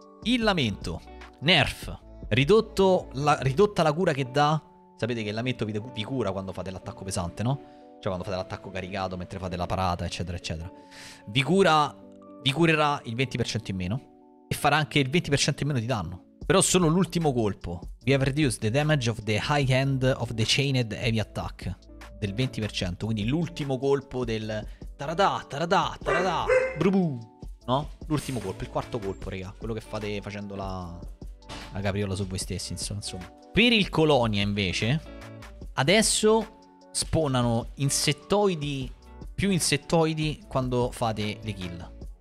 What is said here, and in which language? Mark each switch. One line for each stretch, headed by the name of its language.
Italian: Il lamento, nerf, ridotta la cura che dà. Sapete che il lamento vi cura quando fate l'attacco pesante, no? Cioè quando fate l'attacco caricato, mentre fate la parata, eccetera, eccetera. Vi curerà il 20% in meno e farà anche il 20% in meno di danno. Però solo l'ultimo colpo.
English: We have reduced the damage of the high end of the chained heavy attack.
Italian: Del 20%. Quindi l'ultimo colpo del... Taradà, taradà, taradà. Brubù. No? L'ultimo colpo, il quarto colpo, raga. Quello che fate facendo la capriola su voi stessi, insomma. Per il Colonia, invece, adesso spawnano insettoidi, più insettoidi quando fate le kill.